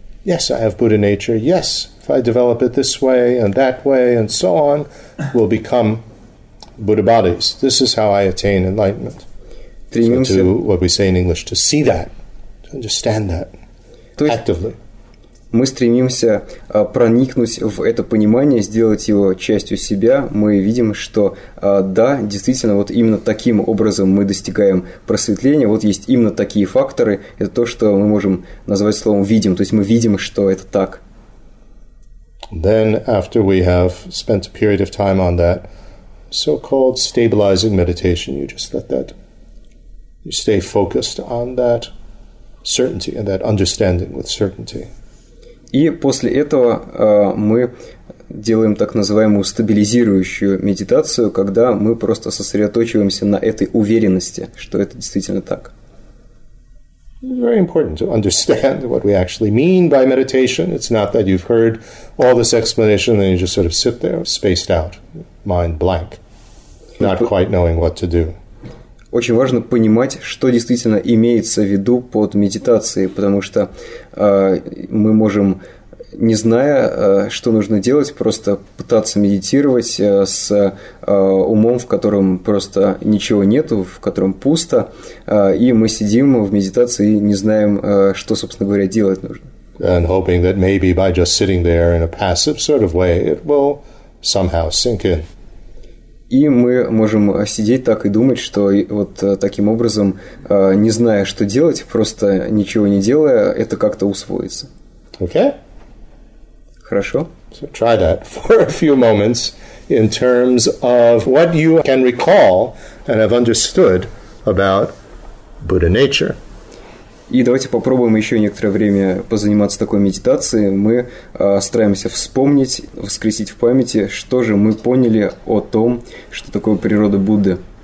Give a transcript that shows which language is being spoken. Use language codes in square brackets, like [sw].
[en] Yes, I have Buddha nature. Yes, if I develop it this way and that way and so on, we'll become Buddha bodies. This is how I attain enlightenment. So to what we say in English, to see that, to understand that actively. [ru] Мы стремимся проникнуть в это понимание, сделать его частью себя. Мы видим, что да, действительно, вот именно таким образом мы достигаем просветления. Вот есть именно такие факторы. Это то, что мы можем назвать словом «видим». То есть мы видим, что это так. [en] Then, after we have spent a period of time on that so-called stabilizing meditation, you just let that, you stay focused on that certainty and that understanding with certainty. [ru] И после этого мы делаем так называемую стабилизирующую медитацию, когда мы просто сосредоточиваемся на этой уверенности, что это действительно так. [en] Very important to understand what we actually mean by meditation. It's not that you've heard all this explanation and you just sort of sit there, spaced out, mind blank, not quite knowing what to do. [ru] Очень важно понимать, что действительно имеется в виду под медитацией, потому что мы можем, не зная, что нужно делать, просто пытаться медитировать с умом, в котором просто ничего нету, в котором пусто, и мы сидим в медитации и не знаем, что, собственно говоря, делать нужно. [en] And hoping that maybe by just sitting there in a passive sort of way, it will somehow sink in. [ru] И мы можем сидеть так и думать, что вот таким образом, не зная, что делать, просто ничего не делая, это как-то усвоится. [en] Okay. [ru] Хорошо. [en] So try that for a few moments in terms of what you can recall and have understood about Buddha nature. [ru] И давайте попробуем еще некоторое время позаниматься такой медитацией. Мы стараемся вспомнить, воскресить в памяти, что же мы поняли о том, что такое природа Будды.